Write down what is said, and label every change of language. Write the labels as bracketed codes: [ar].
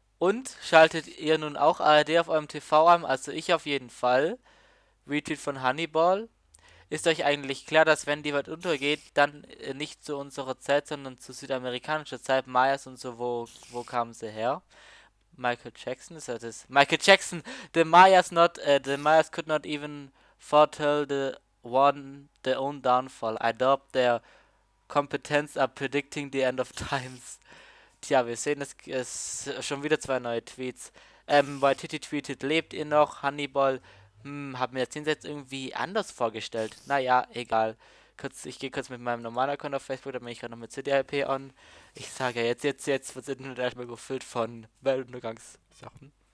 [de] Und schaltet ihr nun auch ARD auf eurem TV an? Also ich auf jeden Fall. Retweet von Honeyball. Ist euch eigentlich klar, dass wenn die Welt untergeht, dann nicht zu unserer Zeit, sondern zu südamerikanischer Zeit, Mayas und so, wo kamen sie her? Michael Jackson, ist das? Michael Jackson! [en] The Mayas could not even foretell their own downfall. I doubt their competence are predicting the end of times. [de] Tja, wir sehen, es ist schon wieder 2 neue Tweets. Bei Titi tweetet, lebt ihr noch, Honeyball? Hab mir das jetzt irgendwie anders vorgestellt. Naja, egal. Ich gehe kurz mit meinem normalen Account auf Facebook, da bin ich gerade noch mit CDIP on. Ich sage ja jetzt wird es Internet erstmal gefüllt von Weltuntergangssachen.